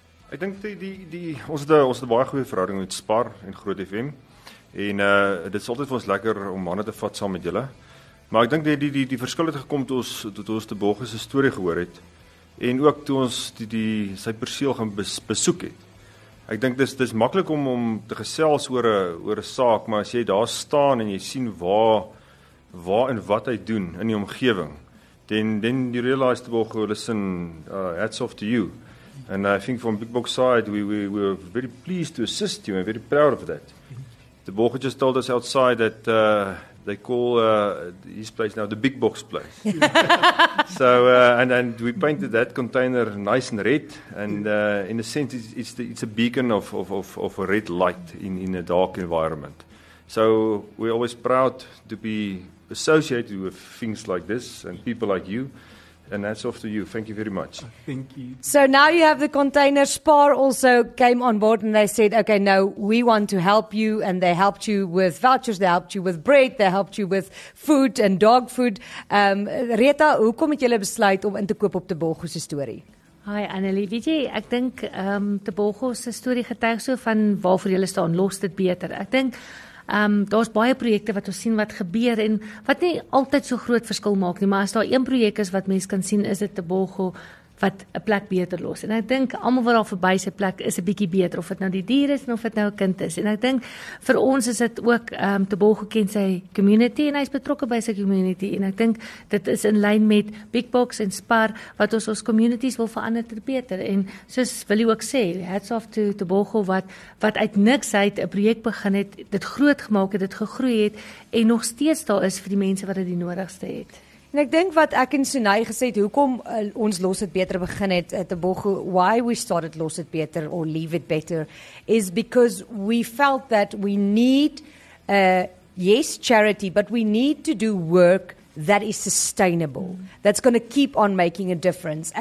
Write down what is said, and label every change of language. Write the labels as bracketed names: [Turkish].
[Afrikaans] Ek dink ons het baie goeie verhouding met Spar en Groot FM, en dit is altyd vir ons lekker om hande te vat saam met julle, maar ek dink die verskil het gekom toe ons Tebogo se storie gehoor het, en ook toe ons sy perseel gaan besoek het. Ek dink dis maklik om te gesels oor 'n saak, maar as jy daar staan en jy sien waar en wat hy doen in die omgewing, [English] then you realize to go listen, hats off to you. And I think from Big Box side, we were very pleased to assist you and very proud of that. The Tebogo just told us outside that they call his place now the Big Box place. So and we painted that container nice and red, and in a sense it's a beacon of a red light in a dark environment. So we're always proud to be associated with things like this and people like you. And that's off to you. Thank you very much. Thank you. So now you have the container. Spar also came on board and they said, okay, no, we want to help you. And they helped you with vouchers. They helped you with bread. They helped you with food and dog food. [Afrikaans] Rita, hoe kom het julle besluit om in te koop op Tebogo se story? Hi Annelie, weet jy, ek dink Tebogo se story getuig so van waarvoor julle staan, Lositbeter. Ek dink daar is baie projekte wat ons sien wat gebeur en wat nie altyd so groot verskil maak nie, maar as daar een projek is wat mens kan sien, is dit Tebogo wat 'n plek beter los. En ek dink almal wat daar verby sy plek is 'n bietjie beter, of dit nou die dier is en of dit nou 'n kind is. En ek dink vir ons is dit ook Tebogo ken sy community en hy is betrokke by sy community. En ek dink dit is in lyn met Big Box en Spar wat ons communities wil verander ter beter. En soos wil jy ook sê, [English] hats off [Afrikaans] to Tebogo wat uit niks uit 'n projek begin het, dit groot gemaak het, dit gegroei het en nog steeds daar is vir die mense wat dit die nodigste het. En ek dink wat ek en Sunay gesê het, hoekom ons Lositbeter begin het, [English] Tebogo, why we started Lositbeter or leave it better, is because we felt that we need, yes, charity, but we need to do work that is sustainable, that's going to keep on making a difference.